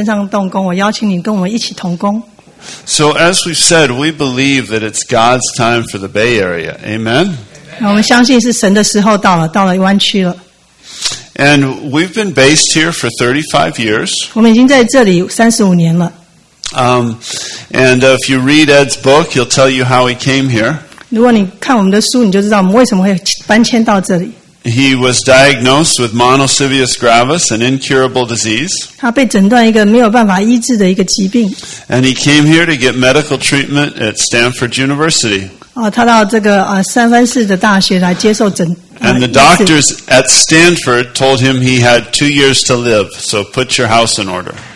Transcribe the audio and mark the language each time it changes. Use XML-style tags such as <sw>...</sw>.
<zh>我感觉神在我的生命动工，也在你们身上动工，我邀请你跟我们一起同工。</zh> <en>So as we've said, we believe that it's God's time for the Bay Area. Amen? And we've been based here for 35 years. And if you read Ed's book, he'll tell you how he came here. He was diagnosed with monocytic gravis, an incurable disease. And he came here to get medical treatment at Stanford University.</en> <zh>他到这个三藩市的大学来接受诊。And</zh> <en>the doctors at Stanford told him he had 2 years to live, so put your house in order.</en>